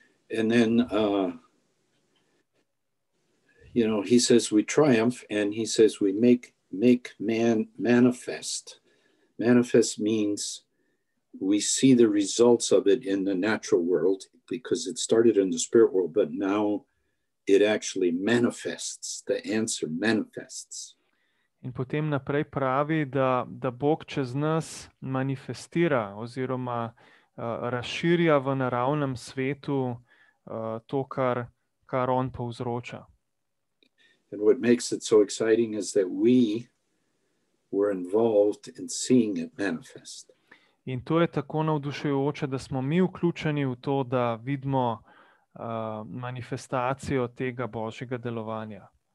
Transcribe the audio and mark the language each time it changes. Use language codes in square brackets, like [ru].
[en] And then, you know, he says we triumph and he says we make man manifest. Manifest means we see the results of it in the natural world because it started in the spirit world, but now it actually manifests, the answer manifests. [sl] In potem naprej pravi, da Bog čez nas manifestira oziroma razširja v naravnem svetu to, kar on povzroča. [en] And what makes it so exciting is that we were involved in seeing it manifest. [sl] In to je tako navdušujoče, da smo mi vključeni v to, da vidimo manifestacijo tega Božjega delovanja.